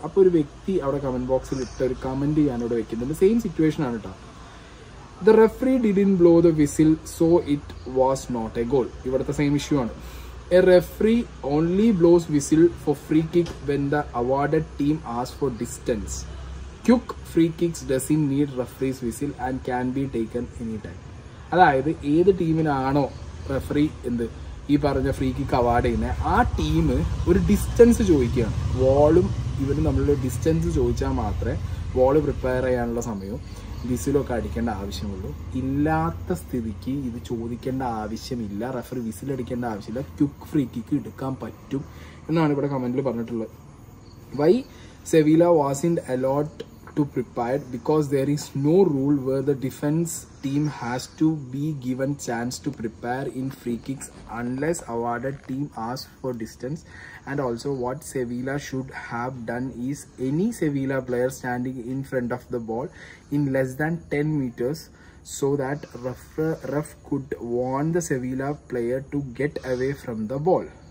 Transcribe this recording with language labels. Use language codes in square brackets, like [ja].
[ml] അപ്പോൾ ഒരു വ്യക്തി അവിടെ കമൻറ്റ് ബോക്സിൽ ഇട്ട ഒരു കമൻറ്റ് ഞാനിവിടെ വെക്കുന്നുണ്ട്. സെയിം സിറ്റുവേഷനാണ് കേട്ടോ. [en] The referee didn't blow the whistle so it was not a goal. [ml] ഇവിടുത്തെ സെയിം ഇഷ്യൂ ആണ്. [en] A referee only blows whistle for free kick when the awarded team ask for distance. Quick free kicks doesn't need referee's whistle and can be taken anytime. [ml] അതായത് ഏത് ടീമിനാണോ referee എന്ത് ഈ പറഞ്ഞ free kick award ചെയ്യുന്നത്, ആ team ഒരു distance ചോദിക്കുകയാണ്. വോളും ഇവരും തമ്മിലുള്ള ഡിസ്റ്റൻസ് ചോദിച്ചാൽ മാത്രമേ വോള് പ്രിപ്പയർ ചെയ്യാനുള്ള സമയവും വിസിലൊക്കെ അടിക്കേണ്ട ആവശ്യമുള്ളൂ. ഇല്ലാത്ത സ്ഥിതിക്ക് ഇത് ചോദിക്കേണ്ട ആവശ്യമില്ല, റെഫറി വിസിലടിക്കേണ്ട ആവശ്യമില്ല, ക്യുക്ക് ഫ്രീ കിക്ക് എടുക്കാൻ പറ്റും എന്നാണ് ഇവിടെ കമൻറ്റിൽ പറഞ്ഞിട്ടുള്ളത്. [en] Why Sevilla wasn't allowed to prepare because there is no rule where the defense team has to be given chance to prepare in free kicks unless awarded team asks for distance. And also what Sevilla should have done is any Sevilla player standing in front of the ball in less than 10 meters so that ref could warn the Sevilla player to get away from the ball.